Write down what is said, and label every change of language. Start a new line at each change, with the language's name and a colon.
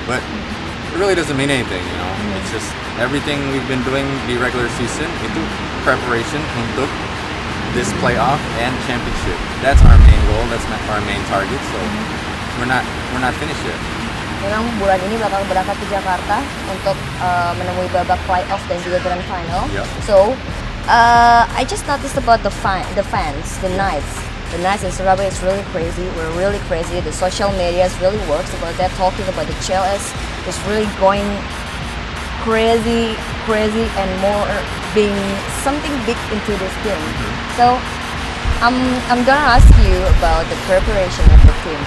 English: But it really doesn't mean anything, you know. It's just everything we've been doing di regular season itu preparation untuk this playoff and championship. That's our main goal. That's our main target. So we're not finished yet.
Indonesian: Memang bulan ini bakal berangkat ke Jakarta untuk menemui babak playoff dan juga grand final.
English: Yep. So I just noticed about the fans, the Knights. The Knights in Surabaya is really crazy. We're really crazy. The social media is really works about that. Talking about the CLS is really going crazy and more. Being something big into this game, so I'm gonna ask you about the preparation of the team.